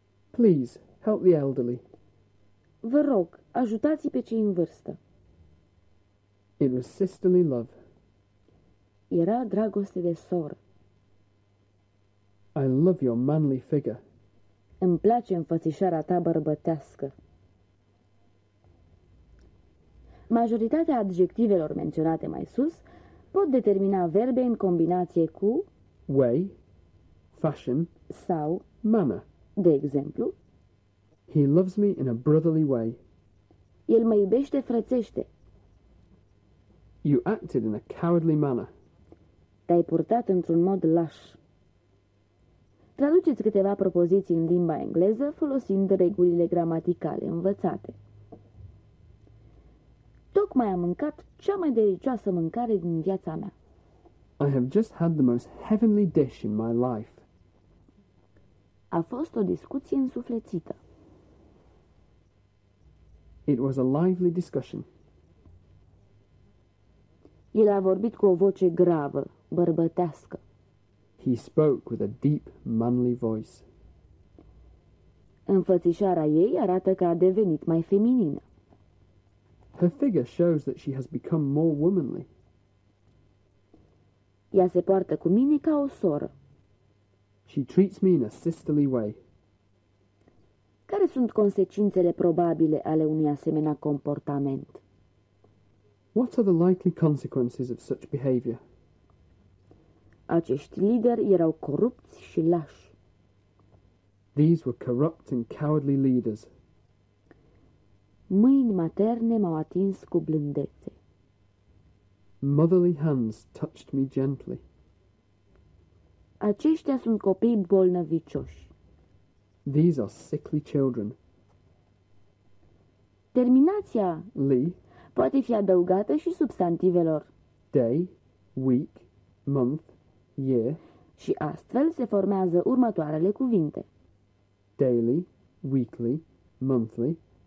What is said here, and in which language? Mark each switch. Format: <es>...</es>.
<en>Please, help the elderly.</en> <ro>Vă rog, ajutați-i pe cei în vârstă.</ro> <en>It was sisterly love.</en> <ro>Era dragoste de soră.</ro> <en>I love your manly figure.</en> <ro>Îmi place înfățișarea ta bărbătească. Majoritatea adjectivelor menționate mai sus pot determina verbe în combinație cu</ro> <en>way, fashion</en> <ro>sau</ro> <en>manner.</en> <ro>De exemplu,</ro> <en>he loves me in a brotherly way.</en> <ro>El mă iubește frățește.</ro> <en>You acted in a cowardly manner.</en> <ro>Te-ai purtat într-un mod laș. Traduceți câteva propoziții în limba engleză folosind regulile gramaticale învățate. Tocmai am mâncat cea mai delicioasă mâncare din viața mea.</ro> <en>I have just had the most heavenly dish in my life.</en> <ro>A fost o discuție însuflețită.</ro> <en>It was a lively discussion.</en> <ro>El a vorbit cu o voce gravă, bărbătească.</ro> <en>He spoke with a deep, manly voice.</en> <ro>Înfățișarea ei arată că a devenit mai feminină.</ro> <en>Her figure shows that she has become more womanly.</en> <ro>Ea se poartă cu mine ca o soră.</ro> <en>She treats me in a sisterly way.</en> <ro>Care sunt consecințele probabile ale unui asemenea comportament?</ro> <en>What are the likely consequences of such behavior?</en> <ro>Acești lideri erau corupți și lași.</ro> <en>These were corrupt and cowardly leaders.</en> <ro>Mâini materne m-au atins cu blândețe.</ro> <en>Motherly hands touched me gently.</en> <ro>Aceștia sunt copii bolnăvicioși.</ro> <en>These are sickly children.</en> <ro>Terminația li poate fi adăugată și substantivelor</ro> <en>day, week, month, year.</en> <ro>Și astfel se formează următoarele cuvinte.</ro> <en>Daily, weekly, monthly.</en>